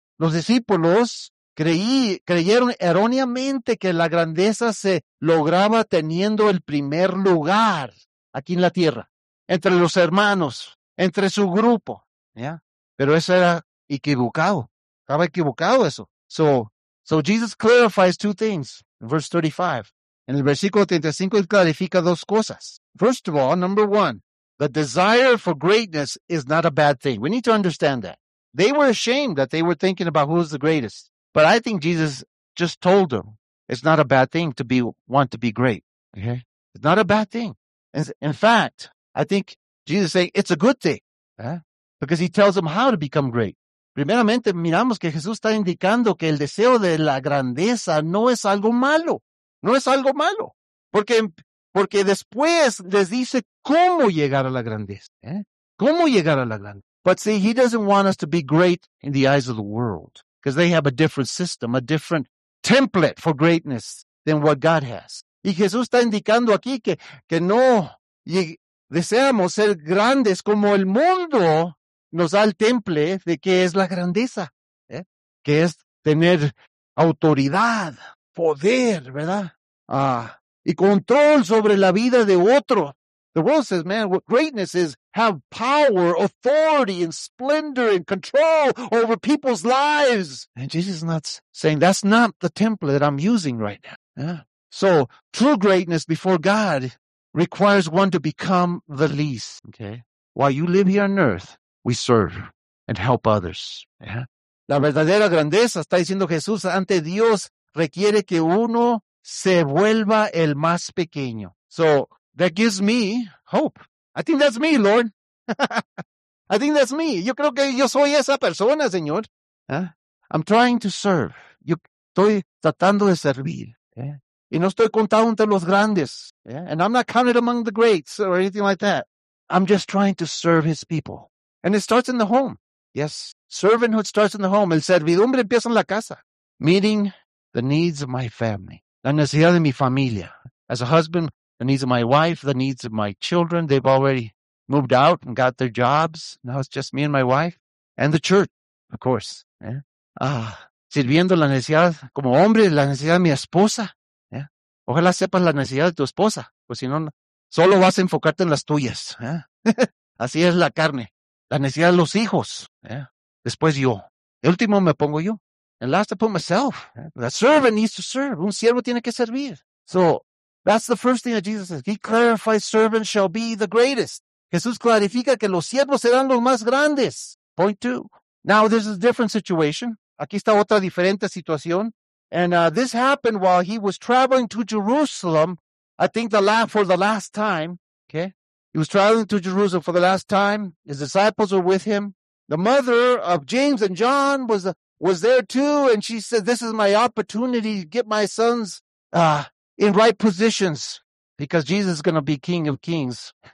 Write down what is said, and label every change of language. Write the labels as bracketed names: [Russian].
[Spanish] Los discípulos creyeron erróneamente que la grandeza se lograba teniendo el primer lugar aquí en la tierra, entre los hermanos, entre su grupo, ¿ya? Pero eso era equivocado, estaba equivocado eso. [English] So Jesus clarifies two things in verse 35. [Spanish] En el versículo 35, él clarifica dos cosas. [English] First of all, number one, the desire for greatness is not a bad thing. We need to understand that. They were ashamed that they were thinking about who's the greatest. But I think Jesus just told them it's not a bad thing to want to be great. Okay? It's not a bad thing. In fact, I think Jesus is saying it's a good thing, because he tells them how to become great. [Spanish] Primeramente, miramos que Jesús está indicando que el deseo de la grandeza no es algo malo. No es algo malo. Porque después les dice cómo llegar a la grandeza. ¿Eh? ¿Cómo llegar a la grandeza? [English] But see, he doesn't want us to be great in the eyes of the world. Because they have a different system, a different template for greatness than what God has. [Spanish] Y Jesús está indicando aquí que no deseamos ser grandes como el mundo nos da el temple de que es la grandeza, ¿eh? Que es tener autoridad, poder, ¿verdad? Y control sobre la vida de otro. [English] The world says, man, what greatness is have power, authority, and splendor, and control over people's lives. And Jesus is not saying, that's not the template that I'm using right now. Yeah. So true greatness before God requires one to become the least. Okay. While you live here on earth, we serve and help others. Yeah. [Spanish] La verdadera grandeza, está diciendo Jesús, ante Dios, requiere que uno se vuelva el más pequeño. [English] So that gives me hope. I think that's me, Lord. I think that's me. [Spanish] Yo creo que yo soy esa persona, Señor. [English] I'm trying to serve. [Spanish] Yo estoy tratando de servir. Y no estoy contado entre los grandes. [English] And I'm not counted among the greats or anything like that. I'm just trying to serve his people. And it starts in the home. Yes. Servanthood starts in the home. [Spanish] El servidumbre empieza en la casa. [English] Meeting the needs of my family. [Spanish] La necesidad de mi familia. [English] As a husband, the needs of my wife, the needs of my children. They've already moved out and got their jobs. Now it's just me and my wife. And the church, of course. Yeah. [Spanish] Sirviendo la necesidad, como hombre, la necesidad de mi esposa. Yeah. Ojalá sepas la necesidad de tu esposa. Pues si no, solo vas a enfocarte en las tuyas. Yeah. Así es la carne. La necesidad de los hijos. Yeah. Después yo. El último me pongo yo. [English] And last I put myself. Yeah. A servant needs to serve. [Spanish] Un siervo tiene que servir. [English] So that's the first thing that Jesus says. He clarifies servants shall be the greatest. [Spanish] Jesús clarifica que los siervos serán los más grandes. [English] Point two. Now there's a different situation. [Spanish] Aquí está otra diferente situación. [English] And this happened while he was traveling to Jerusalem. I think for the last time. Okay. He was traveling to Jerusalem for the last time. His disciples were with him. The mother of James and John was there too. And she said, this is my opportunity to get my sons in right positions because Jesus is going to be King of Kings.